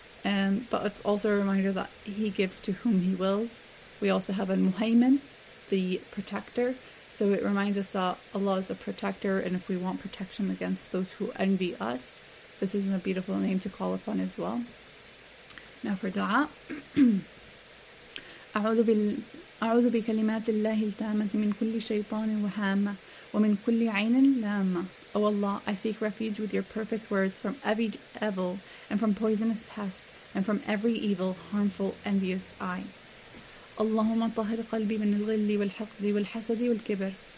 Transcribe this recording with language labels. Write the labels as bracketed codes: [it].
[en] But it's also a reminder that he gives to whom he wills. We also have Al-Muhaymin, the protector. So it reminds us that Allah is a protector, and if we want protection against those who envy us, this is a beautiful name to call upon as well. Now for du'a. [ar] أعوذ بكلمات الله التامة من كل شيطان وهامة ومن كل عين لامة. [en] O Allah, I seek refuge with your perfect words from every evil and from poisonous pests and from every evil, harmful, envious eye. [ar] اللهم طهر قلبي من الغل والحقد والحسد والكبر.